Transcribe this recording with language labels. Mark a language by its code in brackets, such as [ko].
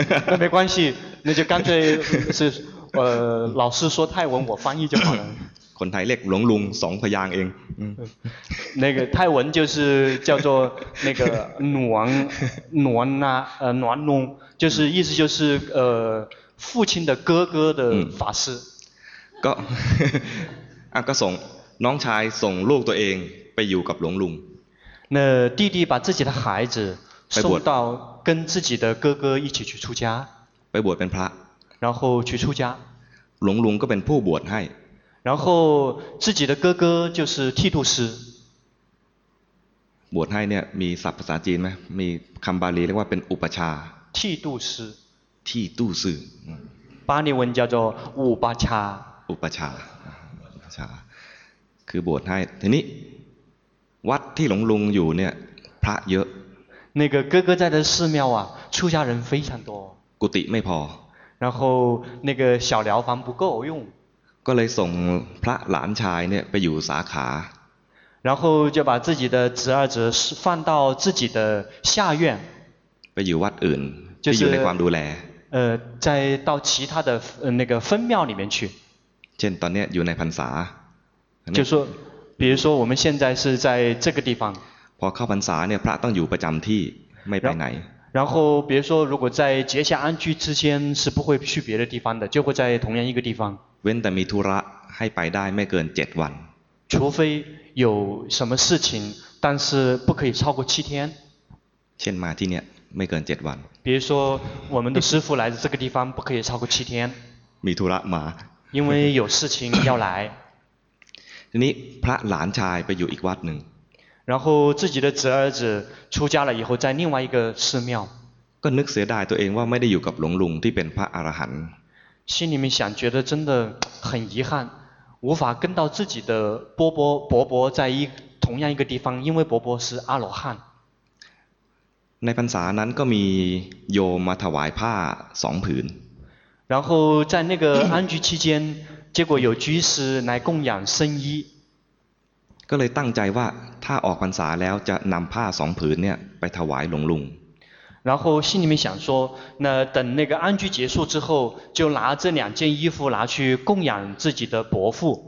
[zh] 那没关系那就干脆是老师说泰文我翻译就好了 [th] คนไทยเรียกหลวงลุงสองพยางเอง [zh] 那个泰文就是叫做那个暖龙就是意思就是父亲的哥哥的法师 [th] ก็ส่งน้องชายส่งลูกตัวเองไปอยู่กับหลวงลุง [zh] 那弟弟把自己的孩子送到跟自己的哥哥一起去出家 [th] ไปบวชเป็นพระ [zh] 然后去出家 [th] หลวงลุงก็เป็นผู้บวชให้ [zh] 然后自己的哥哥就是剃度师 [th] บวชให้เนี่ยมีศัพท์ภาษาจีนไหมมีคำบาลีเรียกว่าเป็นอุปชา [zh] 剃度师剃度师巴利文叫做อุปชา [th] อุปชา ชาคือบวชให้ทีนี้วัดที่หลวงลุงอยู่เนี่ยพระเยอะ [zh] 那个哥哥在的寺庙啊出家人非常多 [th] กุฏิไม่พอ [zh] 然后那个小寮房不够用 [th] ก็เลยส่งพระหลานชายเนี่ยไปอยู่สาขา [zh] 然后就把自己的侄儿子放到自己的下院 [th] ไปอยู่วัดอื่นที่อยู่ในความดูแล [zh] 再到其他的那个分庙里面去 [th] เช่นตอนนี้อยู่ในพรรษา [zh] 就说比如说我们现在是在这个地方 [th] พอเข้าพรรษาเนี่ยพระต้องอยู่ประจำที่ไม่ไปไหน [zh] 然后比如说如果在结下安居之间是不会去别的地方的就会在同样一个地方 [th] เว้นแต่มีธุระให้ไปได้ไม่เกิน7วัน [zh] 除非有什么事情但是不可以超过7天 [th] เช่นมาที่เนี่ยไม่เกิน7วัน [zh] 比如说我们的师父来的这个地方不可以超过7天 [th] มีธุระมา [zh] 因为有事情要来 [th] ทีนี้พระหลานชายไปอยู่อีกวัดหนึ่ง [zh] 然后自己的侄儿子出家了以后在另外一个寺庙 [th] ก็นึกเสียดายตัวเองว่าไม่ได้อยู่กับหลวงลุงที่เป็นพระอรหันต์ [zh] 心里面想觉得真的很遗憾无法跟到自己的伯伯伯伯在同样一个地方因为伯伯是阿罗汉 [th] ในพรรษานั้นก็มีโยมมาถวายผ้า2ผืน [zh] 然后在那个安居期间结果有居士来供养僧衣 [th] ก็เลยตั้งใจว่าถ้าออกพรรษาแล้วจะนำผ้า2ผืนเนี่ยไปถวายหลวงลุง [zh] 然后心里面想说那等那个安居结束之后就拿这两件衣服拿去供养自己的伯父